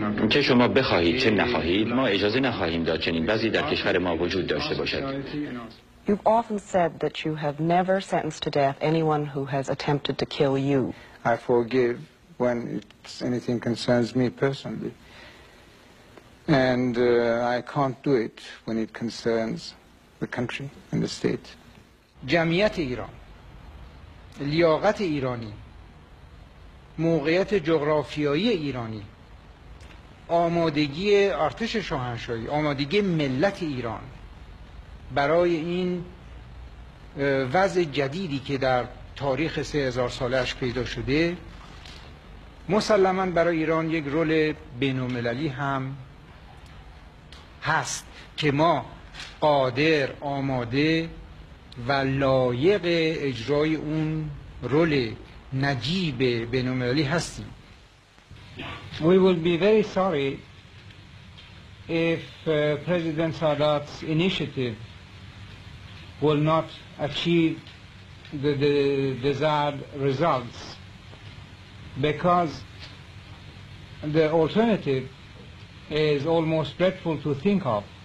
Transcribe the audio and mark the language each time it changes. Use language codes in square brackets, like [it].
[fa] که شما بخواهید چه نخواهید ما اجازه نخواهیم داد چنین بعضی در کشور ما وجود داشته باشد. [en] You've often said that you have never sentenced to death anyone who has attempted to kill you. I forgive when it's anything concerns me personally. And I can't do it when it concerns the country and the state. [fa] جمعیت ایران، لیاقت ایرانی، موقعیت جغرافیایی ایرانی، آمادگی ارتش شاهنشاهی، آمادگی ملت ایران برای این وضع جدیدی که در تاریخ 3000 سالش پیدا شده مسلماً برای ایران یک رول بین‌المللی هم هست که ما قادر، آماده و لایق اجرای اون رول نجیب بین‌المللی هستیم. [en] We will be very sorry if President Sadat's initiative will not achieve the desired results because the alternative is almost dreadful to think of.